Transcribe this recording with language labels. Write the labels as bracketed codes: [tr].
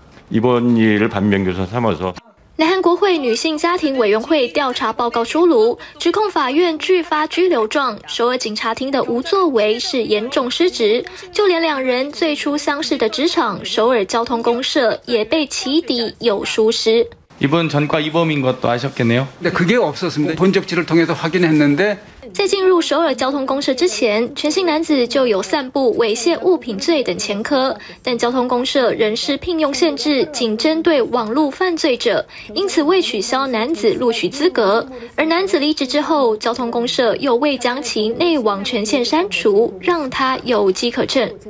[ko] 이번일을반면교선삼아서 [zh] 南韩国会女性家庭委员会调查报告出炉，指控法院拒发拘留状，首尔警察厅的无作为是严重失职。就连两人最初相识的职场首尔交通公社也被起底有疏失。 [ko] 이번전과이범인것도아셨겠네요 네그게없었습니다본적지를통해서확인했는데 [zh] 在进入首尔交通公社之前，全姓男子就有散布猥亵物品罪等前科，但交通公社人事聘用限制仅针对网络犯罪者，因此未取消男子录取资格。而男子离职之后，交通公社又未将其内网权限删除，让他有机可乘。